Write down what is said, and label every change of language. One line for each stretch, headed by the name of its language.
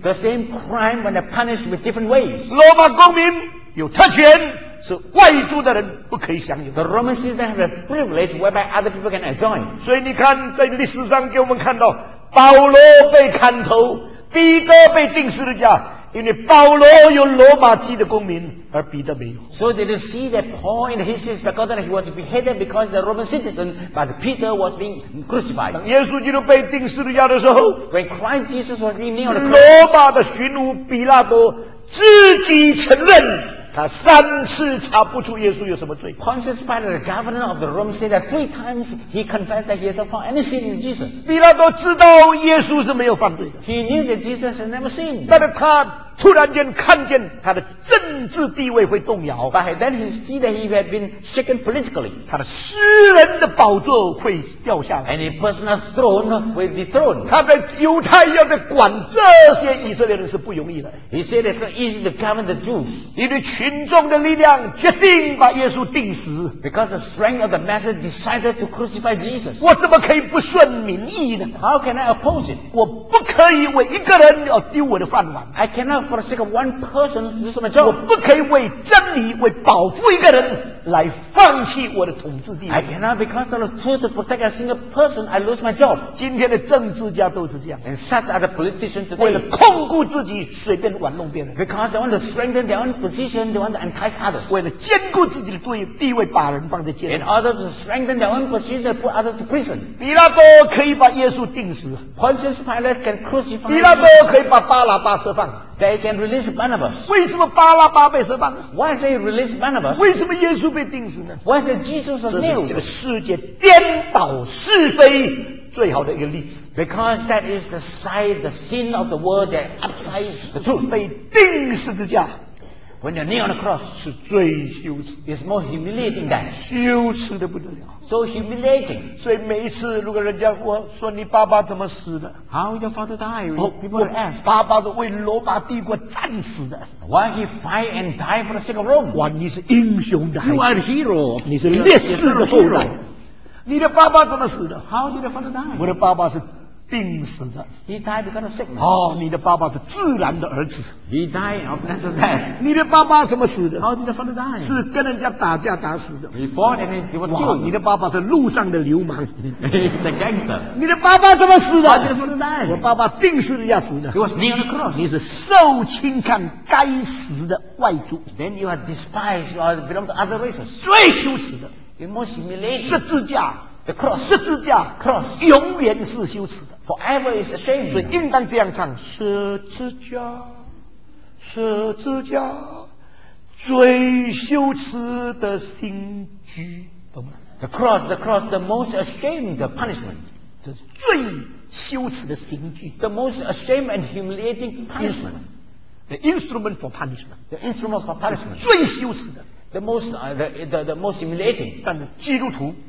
English: The same crime when they punish with different ways.
Chinese: 罗马公民有特权，是外族的人不可以享有。
English: The Roman citizen has a privilege whereby other people can enjoy.
Chinese: 所以你看，在历史上给我们看到，保罗被砍头，彼得被钉十字架。因为保罗有罗马籍的公民，而彼得没有。
English: So did you see that Paul in history is forgotten? He was beheaded because he's a Roman citizen, but Peter was being crucified.
Chinese: 当耶稣基督被钉十字架的时候
English: ，When Christ Jesus was being nailed,
Chinese: 罗马的巡抚比拉多自己承认。他三次查不出耶稣有什么罪。
English: Pontius Pilate, the governor of the Rome, said that three times he confessed that he has not found any sin in Jesus.
Chinese: 比拉多知道耶稣是没有犯罪的。
English: He knew that Jesus had never sinned.
Chinese: 但是他突然间看见他的政治地位会动摇。
English: But then he saw that he had been shaken politically.
Chinese: 他的私人的宝座会掉下来。
English: And his personal throne will be dethroned.
Chinese: 他在犹太要在管这些以色列人是不容易的。
English: He said it's not easy to govern the Jews.
Chinese: 因为群众的力量决定把耶稣钉死。
English: Because the strength of the masses decided to crucify Jesus.
Chinese: 我怎么可以不顺民意呢
English: ？How can I oppose it?
Chinese: 我不可以为一个人而丢我的饭碗。
English: I cannot. For the sake of one person, this is my job.
Chinese: 我不可以为真理、为保护一个人来放弃我的统治地位。
English: I cannot, because of the truth to protect a single person, I lose my job.
Chinese: 今天的政治家都是这样。
English: And such are the politicians today.
Chinese: 为了控制自己，随便玩弄别人。
English: Because they want to strengthen their own position, they want to entice others.
Chinese: 为了坚固自己的地位，把人放在监牢。
English: In order to strengthen their own position, they put others to prison.
Chinese: 比拉多可以把耶稣钉死。
English: Pontius Pilate can crucify.
Chinese: 比拉多可以把巴拉巴释放。
English: They can release Barnabas.
Chinese: 为什么巴拉巴被释放？
English: Why is he released Barnabas?
Chinese: 为什么耶稣被钉死呢？
English: Why is the Jesus was nailed?
Chinese: 这是这个世界颠倒是非最好的一个例子。
English: Because that is the side, the sin of the world that upsides the truth.
Chinese: 被钉十字架。
English: When you're kneeling on the cross,
Chinese: 是最羞耻。
English: It's more humiliating than
Chinese: 羞耻的不得了。
English: So humiliating.
Chinese: 所以每一次，如果人家我说你爸爸怎么死的
English: ？How your father died?、Oh, people would ask.
Chinese: 爸爸是为罗马帝国战死的。
English: Why he fight and die for the sake of Rome?
Chinese: 哇，你是英雄的。
English: You are a hero.
Chinese: 你是烈士的后代。你的爸爸怎么死的
English: ？How did your father die?
Chinese: 我的爸爸是。病死的
English: He died because of sickness.
Chinese: 哦，你的爸爸是自然的儿子。
English: He died of natural death.
Chinese: 你的爸爸怎么死的
English: ？How did the father die?
Chinese: 是跟人家打架打死的。
English: He fought and he was killed.
Chinese: 你的爸爸是路上的流氓。
English: He's the gangster.
Chinese: 你的爸爸怎么死的
English: ？How did the father die?
Chinese: 我爸爸病死的要死的。
English: He was nailed on the cross.
Chinese: 你是受轻看该死的外族。
English: Then you are despised. You are belong to other races.
Chinese: 最羞耻的。
English: The most humiliating.
Chinese: 十字架
English: ，the cross.
Chinese: 十字架
English: ，cross.
Chinese: 永远是羞耻的。
English: Forever is a shame.
Chinese: 所以应当这样唱：十字架，十字架，最羞耻的刑具，懂吗
English: ？The cross, the most ashamed punishment. 这是最羞耻的刑具。 The most ashamed and humiliating punishment. The instrument for punishment. The instrument for punishment.
Chinese: 最羞耻的。
English: the most the most humiliating.
Chinese: 但是基督徒